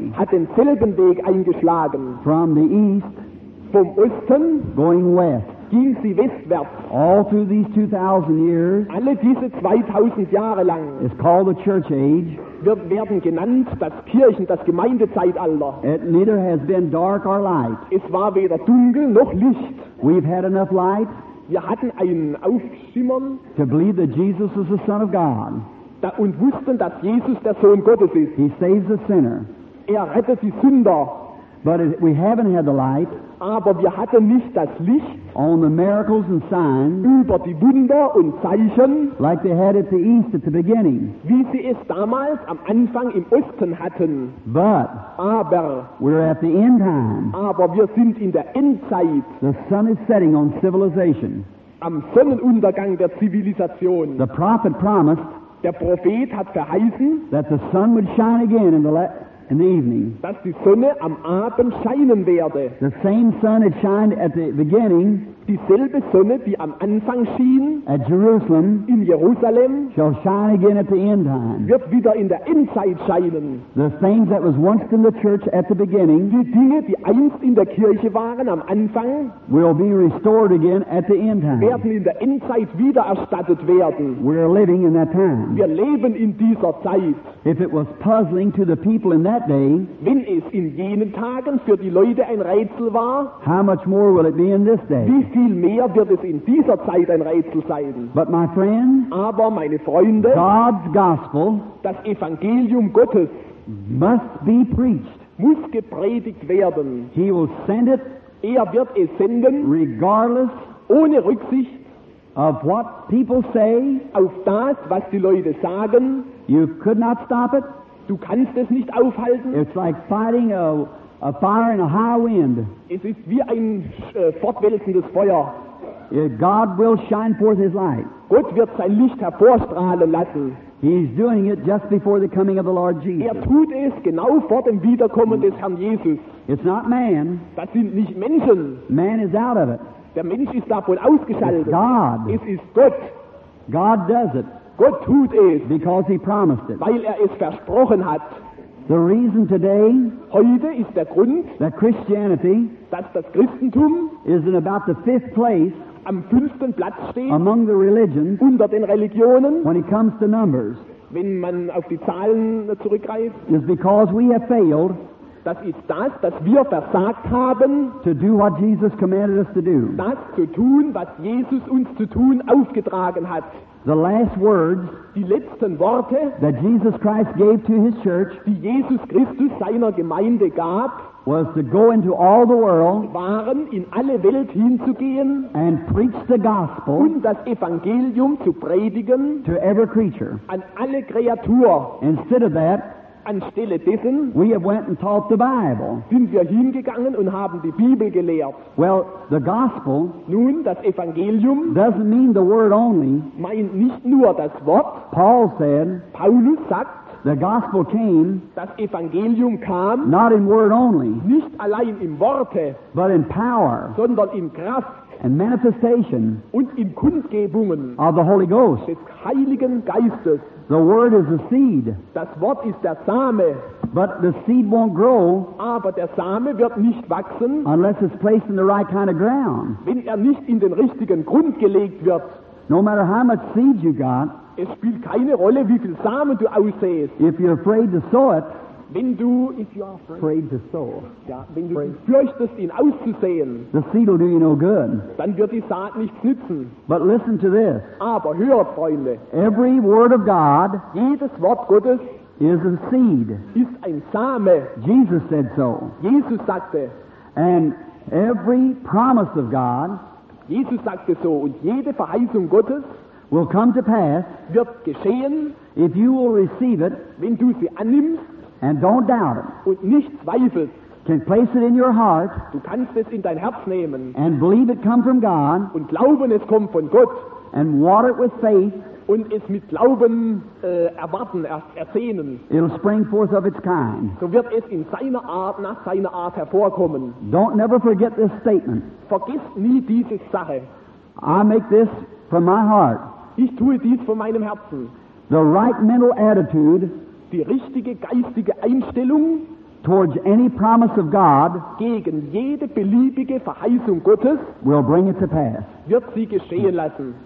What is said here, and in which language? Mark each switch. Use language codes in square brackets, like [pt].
[de] hat denselben Weg eingeschlagen, [en] from the east, [de] vom Osten, [en] going west, [de] ging sie westwärts, [en] all through these 2000 years, [de] alle diese 2000 Jahre lang, [en] is called the church age, [de] wir werden genannt das Kirchen, das Gemeindezeitalter, [en] it neither has been dark or light, [de] es war weder dunkel noch Licht, [en] we've had enough light, [de] wir hatten ein Aufschimmern, [en] to believe that Jesus is the Son of God, [de] und wussten, dass Jesus der Sohn Gottes ist. [en] He saves the sinner. [de] Er rettet die Sünder. [en] But we haven't had the light. [de] Aber wir hatten nicht das Licht. [en] On the miracles and signs. [de] Über die Wunder und Zeichen. [en] Like they had at the east at the beginning. [de] Wie sie es damals am Anfang im Osten hatten. [en] But. [de] Aber. [en] We're at the end time. [de] Aber wir sind in der Endzeit. [en] The sun is setting on civilization. [de] Am Sonnenuntergang der Zivilisation. [en] The prophet promised. [de] Der Prophet hat verheißen, [en] that the sun would shine again in the evening. [de] Dass die Sonne am Abend scheinen werde. [en] The same sun had shined at the beginning. [de] Dieselbe Sonne, die am Anfang schien, [en] at Jerusalem, [de] in Jerusalem, [en] shall shine again at the end time. [de] Wird wieder in der Endzeit scheinen. [en] The things that was once in the church at the beginning, [de] die Dinge, die einst in der Kirche waren am Anfang, [en] will be restored again at the end time. [de] Werden in der Endzeit wieder erstattet werden. [en] We're living in that time. [de] Wir leben in dieser Zeit. [en] If it was puzzling to the people in that day, [de] wenn es in jenen Tagen für die Leute ein Rätsel war, [en] how much more will it be in this day? [de] Wie viel mehr wird es in dieser Zeit ein Rätsel sein. [en] But my friend, [de] aber meine Freunde, [en] God's gospel, [de] das Evangelium Gottes, [en] must be preached. [de] Muss gepredigt werden. [en] He will send it, [de] er wird es senden, [en] regardless, [de] ohne Rücksicht, [en] of what people say, [de] auf das, was die Leute sagen. [en] You could not stop it. [de] Du kannst es nicht aufhalten. [en] It's like fighting a fire in a high wind. [de] Es ist wie ein fortwälzendes Feuer. [en] God will shine forth His light. [de] Gott wird sein Licht hervorstrahlen lassen. [en] He's doing it just before the coming of the Lord Jesus. [de] Er tut es genau vor dem Wiederkommen des Herrn Jesus. [en] It's not man. [de] Das sind nicht Menschen. [en] Man is out of it. [de] Der Mensch ist davon ausgeschaltet. [en] It's God. [de] Es ist Gott. [en] God does it. [de] Gott tut es. [en] Because He promised it. [de] Weil er es versprochen hat. [en] The reason today. [de] Heute ist der Grund. [en] That Christianity. [de] Dass das Christentum. [en] Is in about the fifth place. [de] Am fünften Platz steht. [en] Among the religions. [de] Unter den Religionen. [en] When it comes to numbers. [de] Wenn man auf die Zahlen zurückgreift. [en] Is because we have failed. [de] Das ist das, dass wir versagt haben, [en] to do what Jesus commanded us to do. [de] Das zu tun, was Jesus uns zu tun aufgetragen hat. [en] The last words, [de] die letzten Worte, [en] that Jesus Christ gave to His church, [de] die Jesus Christus seiner Gemeinde gab, [en] was to go into all the world, [de] waren in alle Welt hinzugehen, [en] and preach the gospel, [de] und das Evangelium zu predigen, [en] to every creature, [de] an alle Kreatur. [en] Instead of that, [de] anstelle dessen, [en] we have went and taught the Bible. [de] Sind wir hingegangen und haben die Bibel gelehrt. [en] Well, the gospel, [de] nun, das Evangelium, [en] doesn't mean the word only. [de] Meint nicht nur das Wort. [en] Paul said, [de] Paulus sagt, [en] the gospel came, [de] das Evangelium kam, [en] not in word only, [de] nicht allein im Worte, [en] but in power, [de] sondern in Kraft, [en] and manifestation, [de] und in Kundgebungen, [en] of the Holy Ghost, [de] des Heiligen Geistes. [en] The word is a seed. [de] Das Wort ist der Same. [en] But the seed won't grow. [de] Aber der Same wird nicht wachsen. [en] Unless it's placed in the right kind of ground. [de] Wenn er nicht in den richtigen Grund gelegt wird. [en] No matter how much seed you got. [de] Es spielt keine Rolle, wie viel Samen du aussäst. [en] If you're afraid to sow it. [de] Wenn du, [en] if you are afraid to sow. [de] Ja, wenn du fürchtest, ihn auszusäen. [en] The seed will do you no good. [de] Dann wird die Saat nichts nützen. [en] But listen to this. [de] Aber hört, Freunde. [en] Every word of God. [de] Jedes Wort Gottes. [en] Is a seed. [de] Ist ein Same. [en] Jesus said so. [de] Jesus sagte. [en] And every promise of God. [de] Jesus sagte so. Und jede Verheißung Gottes. [en] Will come to pass. [de] Wird geschehen. [en] If you will receive it. [de] Wenn du sie annimmst. [en] And don't doubt it. [de] Und nicht zweifelt. [en] Can place it in your heart. [de] Du kannst es in dein Herz nehmen. [en] And believe it come from God. [de] Und glauben es kommt von Gott. [en] And water it with faith. [de] Und es mit Glauben erwarten, ersehnen. [en] It'll spring forth of its kind. [de] So wird es in seiner Art, nach seiner Art hervorkommen. [en] Don't never forget this statement. [de] Vergiss nie diese Sache. [en] I make this from my heart. [de] Ich tue dies von meinem Herzen. [en] The right mental attitude. [de] Die richtige geistige Einstellung [en] towards any promise of God [de] gegen jede beliebige Verheißung Gottes [en] will bring it to pass. [de] Wird sie geschehen lassen.